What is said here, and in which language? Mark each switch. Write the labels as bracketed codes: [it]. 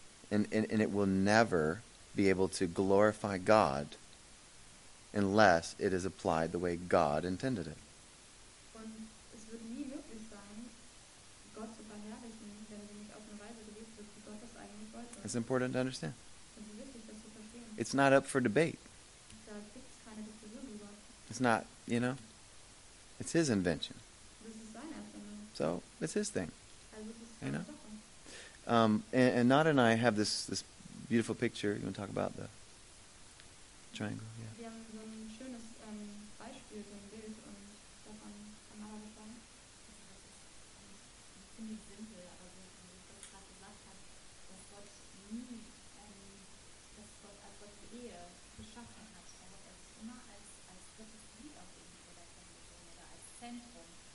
[en] And it will never be able to glorify God unless it is applied the way God intended it. [de] Und es wird nie möglich sein, Gott zu verherrlichen, wenn sie nicht auf eine Weise gelebt wird, wie Gott das eigentlich wollte. [en] It's important to understand. [de] Es ist wichtig, das zu verstehen. [en] It's not up for debate. [de] Da gibt's keine Diskussion über. [en] It's not, you know, it's his invention. [de] Das ist seine Erfindung. [en] So, it's his thing. [de] Also, das ist seine Sache. [en] And Nada and I have this beautiful picture. You want to talk about the triangle? Yeah. [de] Wir haben so ein schönes Beispiel, so ein Bild, und davon kann Nada sagen. Ziemlich simpel, also wie ich gerade gesagt habe, dass Gott nie, dass Gott als Gott die Ehe geschaffen hat, aber er ist immer als drittes Glied auf jeden Fall der Konzeption oder als Zentrum.